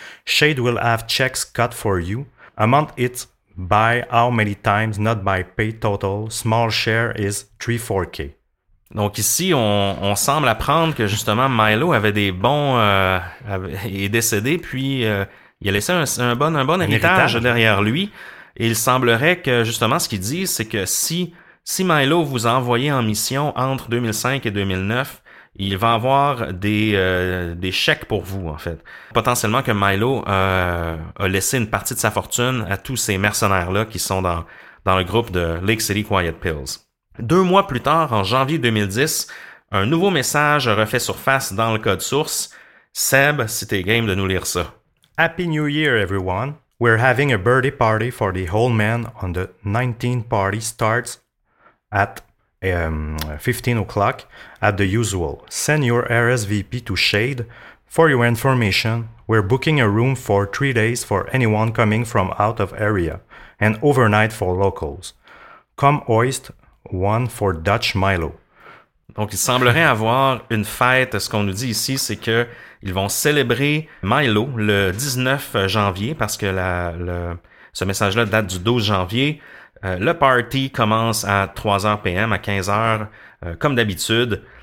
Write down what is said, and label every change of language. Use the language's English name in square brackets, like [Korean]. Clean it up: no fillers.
[English] Shade will have checks cut for you. Amount it by how many times, not by pay total. Small share is 3-4K. [French] Donc ici, on semble apprendre que justement, Milo avait des bons... est décédé, puis il a laissé un bon héritage derrière lui. Et il semblerait que, justement, ce qu'il dit, c'est que si Milo vous a envoyé en mission entre 2005 et 2009, il va avoir des chèques pour vous, en fait. Potentiellement que Milo a laissé une partie de sa fortune à tous ces mercenaires-là qui sont dans le groupe de Lake City Quiet Pills. Deux mois plus tard, en janvier 2010, un nouveau message refait surface dans le code source. Seb, si t'es game de nous lire ça. [English] Happy New Year, everyone. We're having a birthday party for the old man on the 19th party starts at 15 o'clock at the usual. Send your RSVP to Shade. For your information, we're booking a room for 3 days for anyone coming from out of area and overnight for locals. Come hoist one for Dutch Milo. [French] Donc, il semblerait avoir une fête. Ce qu'on nous dit ici, c'est que ils vont célébrer Milo le 19 janvier parce que ce message-là date du 12 janvier. Le party commence à 3h p.m., à 15h, comme d'habitude.